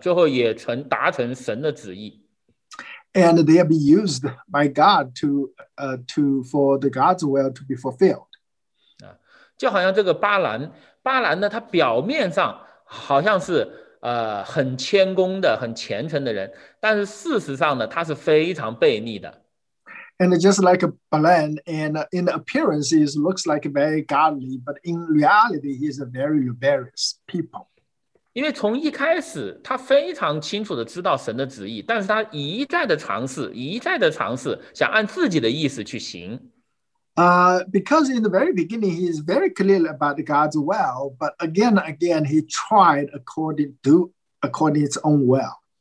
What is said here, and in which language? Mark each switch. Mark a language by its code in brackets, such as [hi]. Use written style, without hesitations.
[zh] 最后也成达成神的旨意。 [en] And they'll be used by God to for the God's will to be fulfilled. [zh] 就好像这个巴兰呢，他表面上好像是很谦恭的、很虔诚的人，但是事实上呢，他是非常悖逆的。 [en] And just like Balan, and in appearance, he looks like very godly, but in reality, he's a very rebellious people. [zh] 因为从一开始他非常清楚地知道神的旨意，但是他一再的尝试想按自己的意思去行。 [en] Because in the very beginning, he is very clear about God's will, but again and again, he tried according to his own will.